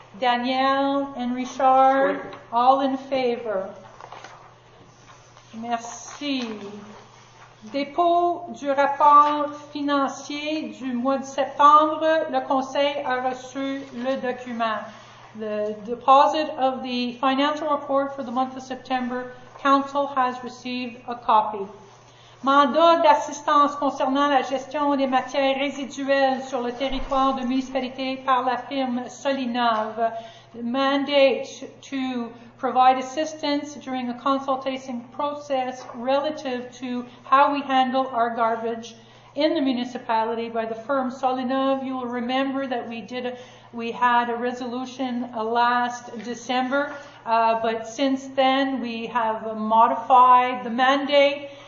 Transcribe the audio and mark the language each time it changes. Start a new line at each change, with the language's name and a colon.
English: Danielle and Richard, oui. All in favor. Merci.
French: Dépôt du rapport financier du mois de septembre, le conseil a reçu le document.
English: The deposit of the financial report for the month of September, Council has received a copy.
French: Mandat d'assistance concernant la gestion des matières résiduelles sur le territoire de municipalité par la firme Solinov.
English: Mandate to provide assistance during a consultation process relative to how we handle our garbage in the municipality by the firm Solinov. You will remember that we had a resolution last December, but since then we have modified the mandate.